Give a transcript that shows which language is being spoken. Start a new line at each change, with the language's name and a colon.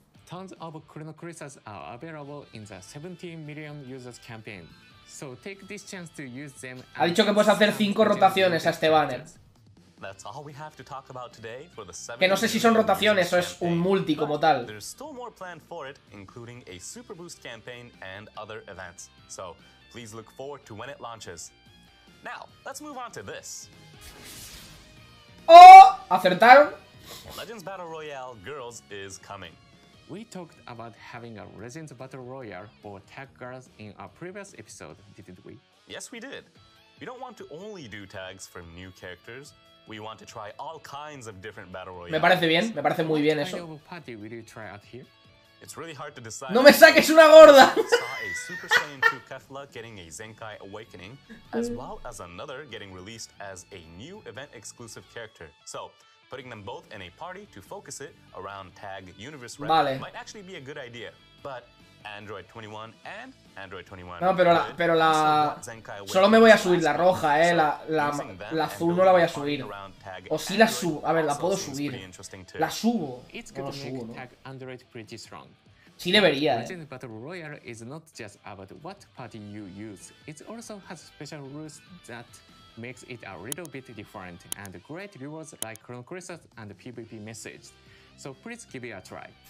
English: Tons of Chrono Crystals are available in the 17 million users campaign, so take this chance to use them.
Spanish: Ha dicho que puedes hacer 5 rotaciones a este banner.
English: That's all we have to talk about today for the 7.
Spanish: Que no sé si son rotaciones o es un multi como tal.
English: There's still more planned for it, including a super boost campaign and other events. So please look forward to when it launches. Now let's move on to this.
Spanish: Oh, acertaron.
English: Legends Battle Royale Girls is coming. We talked about having a Resident Battle Royale for tag girls in our previous episode, didn't we? Yes, we did. We don't want to only do tags for new characters. We want to try all kinds of different battle royales.
Spanish: Me parece bien, me parece muy bien eso.
English: Party will you try out here? It's really hard to decide.
Spanish: No me saques una gorda.
English: Saw a Super Saiyan 2 Kefla getting a Zenkai Awakening, as well as another getting released as a new event exclusive character. So, putting them both in a party to focus it around tag universe rank, vale, might actually be a good idea. But Android 21 and Android 21.
Spanish: No, pero la solo me voy a subir la roja, la azul no la voy a subir. O sí la subo, a ver, la puedo subir. La subo. No lo subo, ¿no?
English: Android pretty strong.
Spanish: Sí debería.
English: Legends Battle Royale is not just about what party you use. It also has special rules that makes it a little bit different and great rewards like Chrono Crystals and PvP messages. So please give it a try.